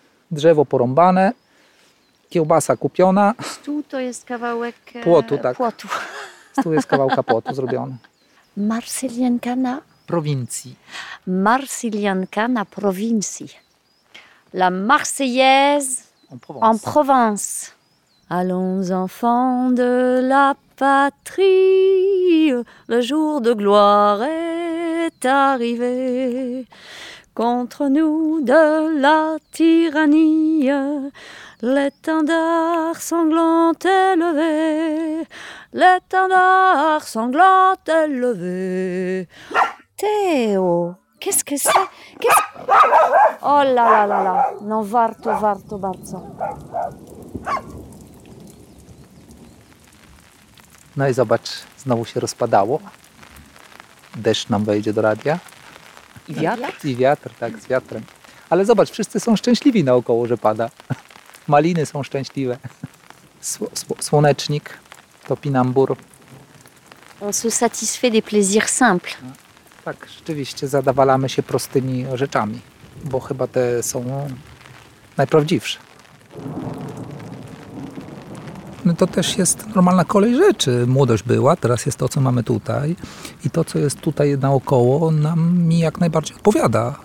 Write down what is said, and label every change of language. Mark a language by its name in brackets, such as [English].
[Polish] Drzewo porąbane. Kiełbasa kupiona. Stół to jest kawałek płotu. Tak. Płotu. Stół jest kawałka płotu zrobiony. Marsylianka na prowincji. Marsylianka na prowincji. [French] La Marseillaise en Provence. Allons enfants de la patrie, le jour de gloire est arrivé. Contre nous de la tyrannie, l'étendard sanglant est levé. L'étendard sanglant est levé. Théo. Qu'est-ce que c'est? Oh là là là là! [Polish] Non, warto, warto bardzo. No i zobacz, znowu się rozpadało. Deszcz nam wejdzie do radia. I wiatr? I wiatr, tak, z wiatrem. Ale zobacz, wszyscy są szczęśliwi naokoło, że pada. Maliny są szczęśliwe. Słonecznik, topinambur. [French] On se satisfait des plaisirs simples. [Polish] Tak, rzeczywiście zadawalamy się prostymi rzeczami, bo chyba te są najprawdziwsze. to też jest normalna kolej rzeczy. Młodość była, teraz jest to, co mamy tutaj. I to, co jest tutaj naokoło, nam mi jak najbardziej odpowiada.